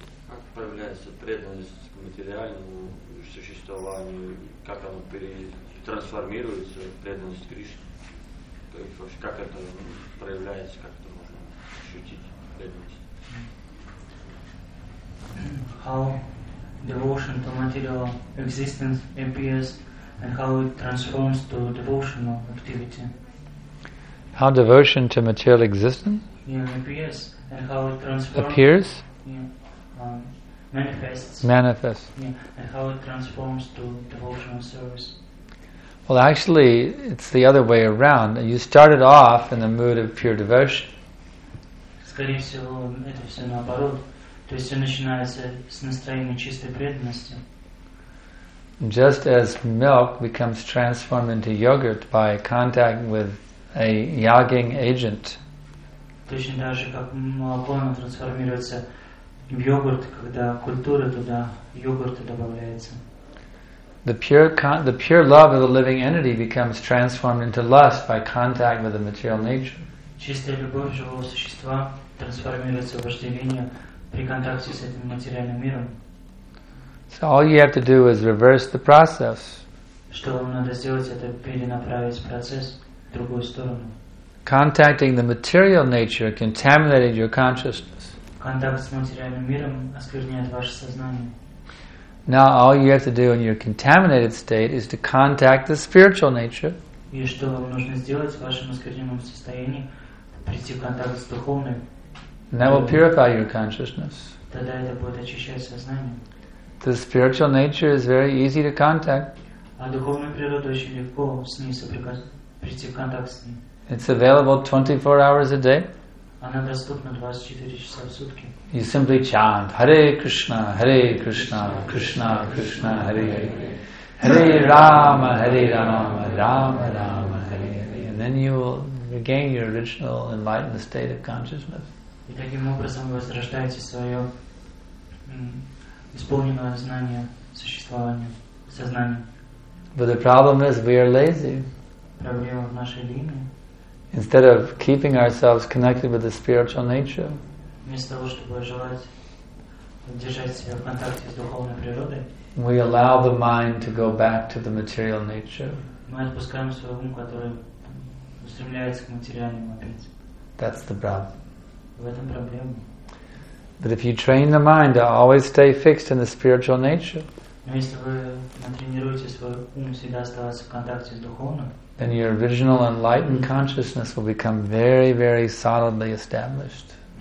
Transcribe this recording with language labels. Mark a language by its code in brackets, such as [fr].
[ru] Как проявляется преданность к материальному существованию? Как оно трансформируется в преданность Кришне? То есть вообще как это проявляется, как это можно ощутить преданность? [en] How devotion to material existence appears and how it transforms to devotional activity. How devotion to material existence? Yeah, appears and how it transforms. Appears? Yeah. Manifests. Manifests. Yeah, and how it transforms to devotional service. Well, actually, it's the other way around. You started off in the mood of pure devotion. [ru] Скорее всего, это все наоборот. То есть все начинается с настроения чистой преданности. [en] Just as milk becomes transformed into yogurt by contact with a yogging agent. [ru] Точно так же, как молоко трансформируется в йогурт, когда культура туда йогурта добавляется. [en] The pure love of the living entity becomes transformed into lust by contact with the material nature. [ru] Чистая любовь живого существа трансформируется в вожделение при контакте с этим материальным миром. [en] So all you have to do is reverse the process. [ru] Что вам надо сделать, это перенаправить процесс в другую сторону. [en] Contacting the material nature contaminated your consciousness. [ru] Контакт с материальным миром оскверняет ваше сознание. [en] Now all you have to do in your contaminated state is to contact the spiritual nature. [ru] И что вам нужно сделать в вашем оскверненном состоянии? Прийти в контакт с духовным. [en] And that will purify your consciousness. [ru] Тогда это будет очищать сознание. [en] The spiritual nature is very easy to contact. [ru] А духовная природа очень легко с ней прийти в контакт с ней. [en] It's available 24 hours a day. [ru] Она доступна 24 часа в сутки. [en] You simply chant Hare Krishna, Krishna Krishna, Hare Hare, Hare Rama, Hare Rama, Rama Rama, Hare Hare, and then you will regain your original enlightened state of consciousness. [ru] И таким образом вы возрождаете свое исполненное знание существования, сознание. [en] But the problem is we are lazy. [ru] Проблема в нашей линии. [en] Instead of keeping ourselves connected with the spiritual nature. [ru] Вместо того, чтобы желать держать себя в контакте с духовной природой. [en] We allow the mind to go back to the material nature. [ru] Мы отпускаем свой ум, который устремляется к материальному опять. [en] That's the problem. [ru] В этом проблема. [en] But if you train the mind to always stay fixed in the spiritual nature, [ru] если вы натренируете свой ум всегда оставаться в контакте с духовным, [en] then your original enlightened consciousness will become very, very solidly established.